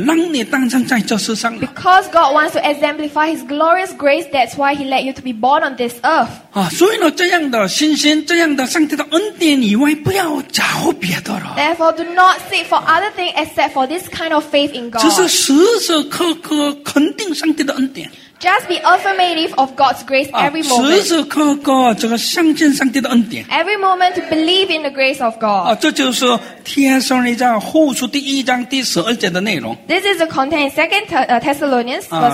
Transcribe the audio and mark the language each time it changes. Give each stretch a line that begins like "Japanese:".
Chinese: 我们的上帝也透过你来彰显出他荣耀的恩典，他恩典的荣耀，让你诞生在这世上。
English: Because God wants to exemplify His glorious grace, that's why He let you to be born on this earth.
Chinese: 所以呢，这样的信心，这样的上帝的恩典以外，不要找别的了。
English: Therefore, do not seek for other things except for this kind of faith in God.
Chinese: 只是时时刻刻肯定上帝的恩典。
English: Just be affirmative of God's grace every moment.
Chinese: 时时刻刻这个相信上帝的恩典。
English: Every moment to believe in the grace of God.
Chinese: 这就是帖撒罗尼迦后书第一章第十二节的内容。
English: This is the content in Second Thessalonians.